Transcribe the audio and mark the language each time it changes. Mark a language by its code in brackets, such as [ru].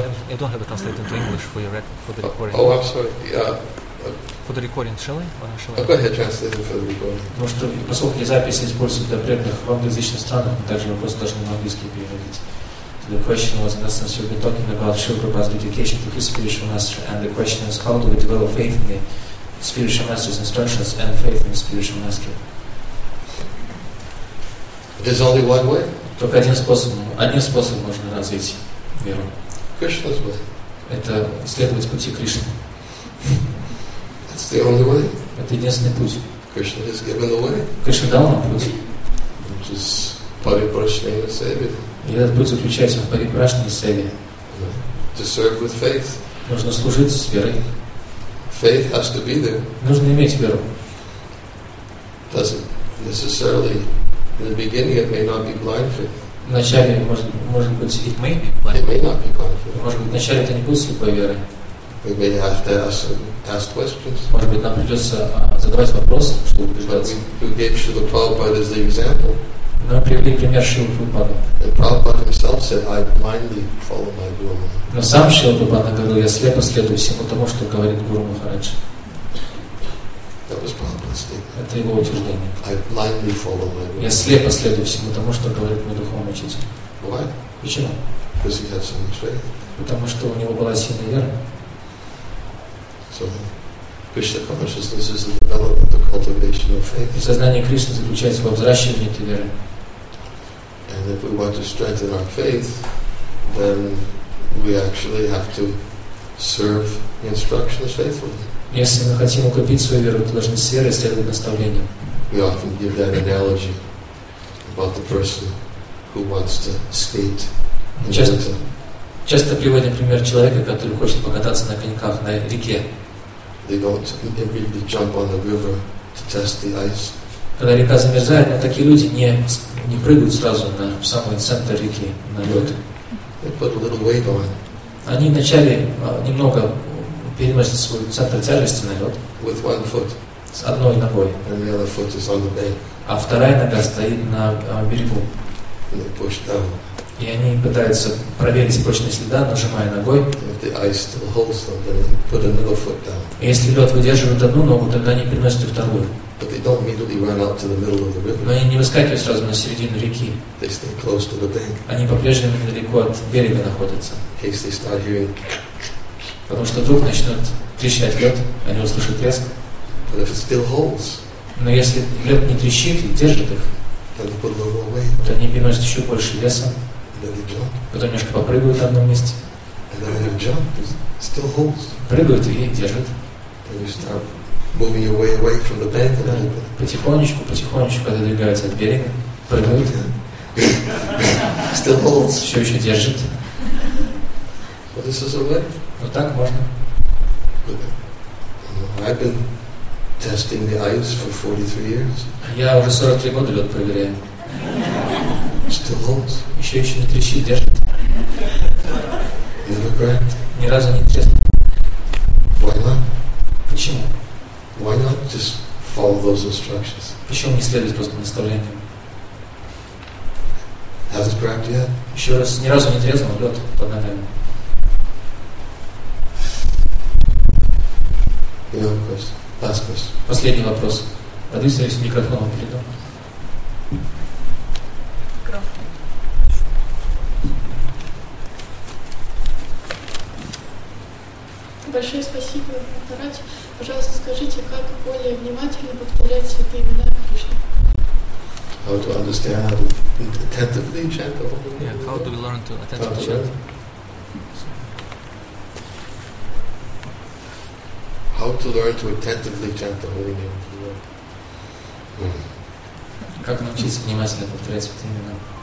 [en] I don't have a translator into English for your record, for the recording. Oh, I'm sorry. For the recording, shall I? I'll go ahead, translate it for the recording. [ru] Потому что поскольку записи используются для преданных в англоязычных странах, также вопрос должен на английский переводить. [en] So the question was, in essence, you've been talking about Srila Prabhupada's dedication to his spiritual master, and the question is, how do we develop faith in the spiritual master's instructions and faith in the spiritual master? There's only one way. [ru] Только одним способом можно развить веру. [en] Кришна's way. [ru] Это следовать пути Кришны. [en] That's the only way. [ru] Это единственный путь. [en] Krishna has given the way. [ru] Кришна дал нам путь. [en] Which is Parikrishna Sevi. [ru] И этот путь заключается в Парикрашне Севе. [en] To serve with faith. [ru] Нужно служить с верой. [en] Faith has to be there. [ru] Нужно иметь веру. [en] Doesn't necessarily. In the beginning, it may not be blind faith. [ru] Вначале может быть [en] it may be blind. It may not be blind faith. [ru] Может быть, вначале это не будет слепой веры. [en] We may have to ask questions. [ru] Может быть, нам придется задавать вопросы, чтобы убеждаться. [en] We gave Srila Prabhupada as the example. [ru] Но привели пример Шрилы Прабхупады. [en] And Prabhupada himself said, "I blindly follow my guru." [ru] Но сам Шрила Прабхупада говорил, я слепо следую всему тому, что говорит Гуру Махарадж. [en] The was Prabhupada's statement. [ru] Это его утверждение. [en] I blindly follow my guru. [ru] Я слепо следую всему тому, что говорит мой духовный учитель. [en] Why? [ru] Почему? [en] Because he had so much faith. [ru] Потому что у него была сильная вера. [en] So, Krishna consciousness is the development, the cultivation of faith. [ru] И сознание Кришны заключается во взращивании этой веры. [en] And if we want to strengthen our faith, then we actually have to serve the instructions faithfully. [ru] Если мы хотим укрепить свою веру, то должны с верой следовать наставлениям. [en] We often give that analogy about the person who wants to skate. [ru] Часто приводим пример человека, который хочет покататься на коньках на реке. [en] They don't immediately jump on the river to test the ice. [ru] Когда река замерзает, такие люди не прыгают сразу на самый центр реки на лед. [en] They put a little weight on. [ru] Они вначале немного переносят свой центр тяжести на лед. [en] With one foot. [ru] С одной ногой. [en] And the other foot is on the bank. [ru] А вторая нога стоит на берегу. [en] And they push down. [ru] И они пытаются проверить прочность льда, нажимая ногой. [en] If the ice still holds them, then they put another foot down. [ru] И если лед выдерживает одну ногу, тогда они переносят вторую. [en] But they don't immediately run out to the middle of the river. [ru] Но они не выскакивают сразу на середину реки. [en] They stay close to the bank. [ru] Они по-прежнему недалеко от берега находятся. [en] In case they start hearing. [ru] Потому что вдруг начнет трещать лед, они услышат треск. [en] But if it still holds. [ru] Но если лед не трещит и держит их, [en] then they put a little more weight. [ru] То они переносят еще больше веса. [en] Then they jump. [ru] Потом немножко попрыгают в одном месте. [en] And then they jump, it still holds. [ru] Прыгают и держат. [en] Then you start moving your way away from the bank. [ru] Потихонечку, потихонечку отодвигаются от берега, прыгают. [en] Still holds. [ru] Все еще держит. [en] But this is a way. [ru] Вот так можно. [en] I've been testing the ice for 43 years. [ru] Я уже 43 года лед проверяю. [en] Still holds. [ru] Еще не трещит, держит. [en] Never cracked. [ru] Ни разу не треснул. [en] Why not? [ru] Почему? [en] Why not just follow those instructions? [ru] Почему не следовать просто наставлениям? [en] Hasn't cracked yet? [ru] Еще раз, ни разу не треснул лед под ногами. [en] You know, last question. [ru] Последний вопрос. Подвисаюсь микрофоном перед вами. Большое спасибо, Махарадж. Пожалуйста, скажите, как более внимательно повторять святые имена Кришны? [en] How to understand how to attentively chant the holy name? Yeah, how do we learn to attentively chant? How to learn to attentively chant the holy name? [ru] Как научиться внимательно повторять святые имена?